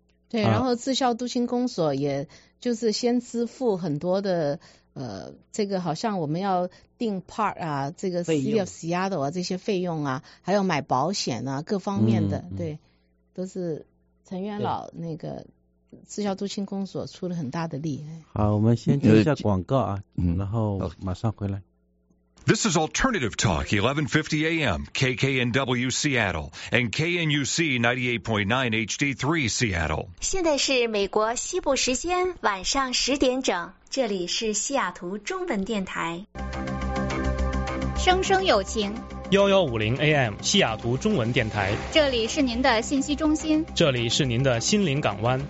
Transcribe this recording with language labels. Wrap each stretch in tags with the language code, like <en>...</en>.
<zh>对，然后自校督亲公所也就是先支付很多的这个好像我们要订 part 啊这个 city of Seattle 啊这些费用啊，还有买保险啊各方面的对。都是陈元老那个自校督亲公所出了很大的力。好，我们先接一下广告啊，然后马上回来。</zh> <en>This is Alternative Talk, 1150 AM, KKNW Seattle, and KNUC 98.9 HD3 Seattle.</en> <zh>现在是美国西部时间晚上10点整，这里是西雅图中文电台。声声有情。 1150 AM 西雅图中文电台，这里是您的信息中心，这里是您的心灵港湾，</zh>